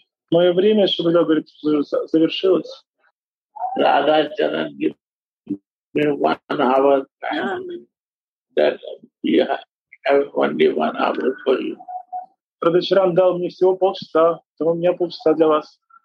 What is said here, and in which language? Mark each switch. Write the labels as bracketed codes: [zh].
[ru] Мое время, чтобы я говорил, завершилось. [en] Radha Charan, give me 1 hour time. That have only 1 hour for you. [ru] Radha Charan дал мне всего полчаса, то у меня полчаса для вас.